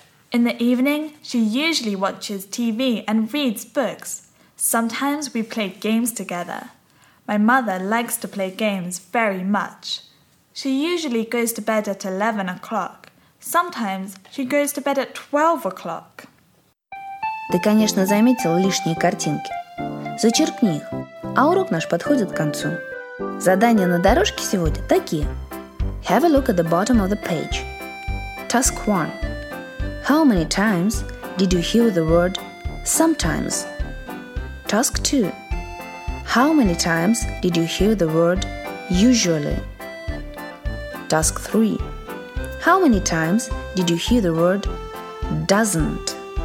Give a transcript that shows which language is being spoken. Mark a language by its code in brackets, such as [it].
[en] In the evening, she usually watches TV and reads books. Sometimes we play games together. My mother likes to play games very much. She usually goes to bed at 11 o'clock. Sometimes she goes to bed at 12 o'clock. [ru] Ты, конечно, заметил лишние картинки. Зачеркни их. А урок наш подходит к концу. Задания на дорожке сегодня такие. [en] Have a look at the bottom of the page. Task 1. How many times did you hear the word sometimes? Task 2. How many times did you hear the word usually? Task 3. How many times did you hear the word doesn't?